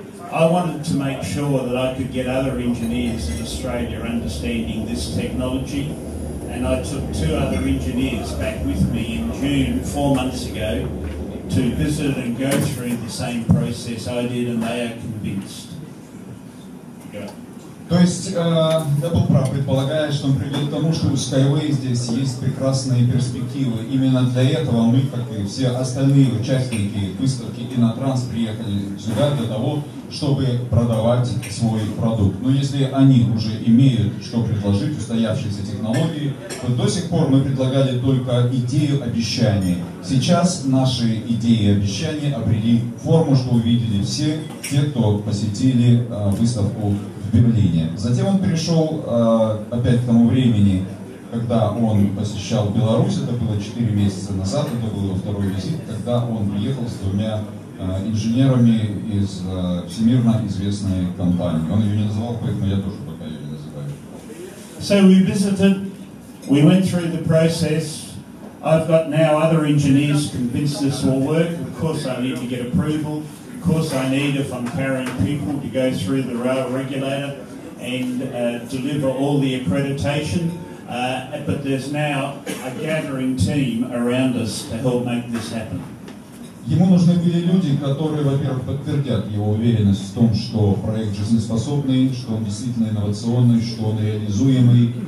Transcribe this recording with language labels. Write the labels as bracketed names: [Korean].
[English] I wanted to make sure that I could get other engineers in Australia understanding this technology, and I took two other engineers back with me in June, 4 months ago, to visit and go through the same process I did, and they are convinced. [Russian] То есть я был прав, предполагая, что он приведет к тому, что у Skyway здесь есть прекрасные перспективы. Именно для этого мы, как и все остальные участники выставки Inotrans, приехали сюда для того, чтобы продавать свой продукт. Но если они уже имеют что предложить, устоявшиеся технологии, то до сих пор мы предлагали только идею обещания. Сейчас наши идеи и обещания обрели форму, что увидели все те, кто посетили выставку. Затем он перешел опять к тому времени, когда он посещал Беларусь, это было 4 месяца назад, это был его второй визит, когда он приехал с двумя инженерами из всемирно известной компании. Он ее не называл, поэтому я тоже пока ее не называю. [English] So we visited, we went through the process. I've got now other engineers convinced this will work. Of course I need to get approval. Of course I need, if I'm carrying people, to go through the rail regulator and deliver all the accreditation. But there's now a gathering team around us to help make this happen. [Russian] Ему нужны были люди, которые, во-первых, подтвердят его уверенность в том, что проект жизнеспособный, что он действительно инновационный, что он реализуемый.